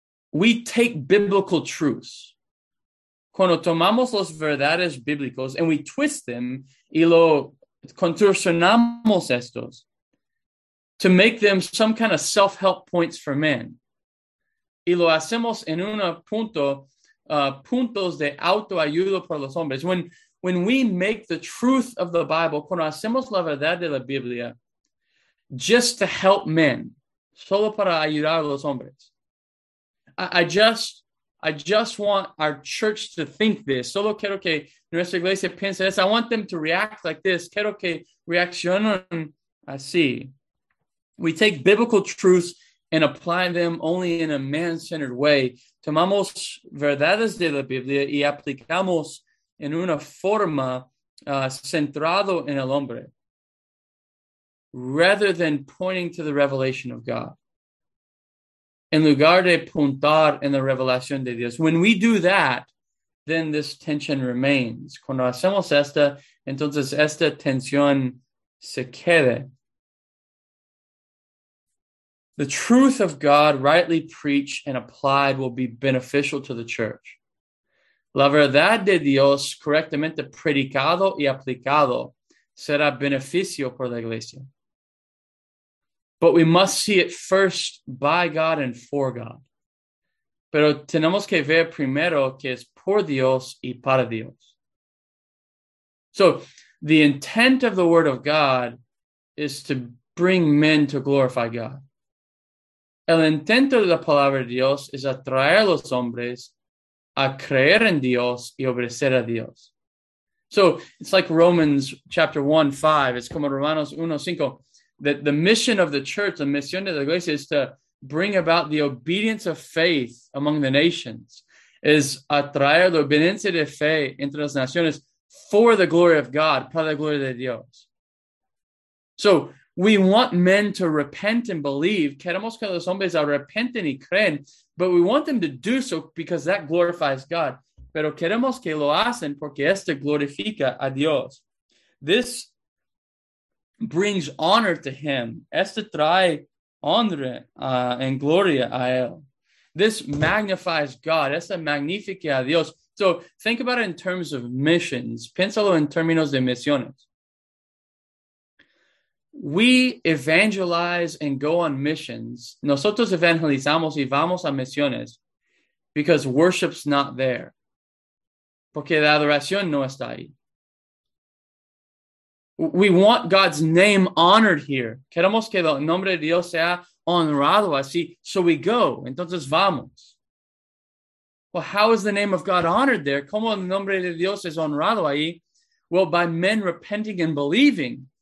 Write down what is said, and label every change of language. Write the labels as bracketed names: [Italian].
[English] we take biblical truths, [Spanish] cuando tomamos las verdades bíblicas [English] and we twist them [Spanish] y lo contorsionamos estos [English] to make them some kind of self-help points for men, [Spanish] y lo hacemos en un punto, puntos de autoayuda para los hombres. [English] When we make the truth of the Bible, [Spanish] cuando hacemos la verdad de la Biblia, [English] just to help men, [Spanish] solo para ayudar a los hombres. [English] I just want our church to think this. [Spanish] Solo quiero que nuestra iglesia piense [English] this. I want them to react like this. [Spanish] Quiero que reaccionen así. [English] We take biblical truths and apply them only in a man-centered way. [Spanish] Tomamos verdades de la Biblia y aplicamos en una forma centrado en el hombre, [English] rather than pointing to the revelation of God. [Spanish] En lugar de apuntar en la revelación de Dios. [English] When we do that, then this tension remains. [Spanish] Cuando hacemos esta, entonces esta tensión se queda. [English] The truth of God, rightly preached and applied, will be beneficial to the church. [Spanish] La verdad de Dios, correctamente predicado y aplicado, será beneficio por la iglesia. [English] But we must see it first by God and for God. [Spanish] Pero tenemos que ver primero que es por Dios y para Dios. [English] So the intent of the word of God is to bring men to glorify God. [Spanish] El intento de la palabra de Dios es atraer a los hombres a creer en Dios y obedecer a Dios. [English] So it's like Romans chapter 1, 5. It's [Spanish] como Romanos 1, 5. [English] That the mission of the church, the mission [Spanish] de la iglesia, [English] is to bring about the obedience of faith among the nations, is [Spanish] atraer la obediencia de fe entre las naciones [English] for the glory of God, [Spanish] para la gloria de Dios. [English] So we want men to repent and believe. [Spanish] Queremos que los hombres arrepenten y creen, [English] but we want them to do so because that glorifies God. [Spanish] Pero queremos que lo hacen porque esto glorifica a Dios. [English] This brings honor to him. [Spanish] Este trae honra and gloria a él. [English] This magnifies God. [Spanish] Este magnifica a Dios. [English] So think about it in terms of missions. [Spanish] Piénsalo en términos de misiones. [English] We evangelize and go on missions. [Spanish] Nosotros evangelizamos y vamos a misiones [English] because worship's not there. [Spanish] Porque la adoración no está ahí. [English] We want God's name honored here. [Spanish] Queremos que el nombre de Dios sea honrado así. [English] So we go. [Spanish] Entonces vamos. [English] Well, how is the name of God honored there? [Spanish] ¿Cómo el nombre de Dios es honrado ahí? [English] Well, by men repenting and believing.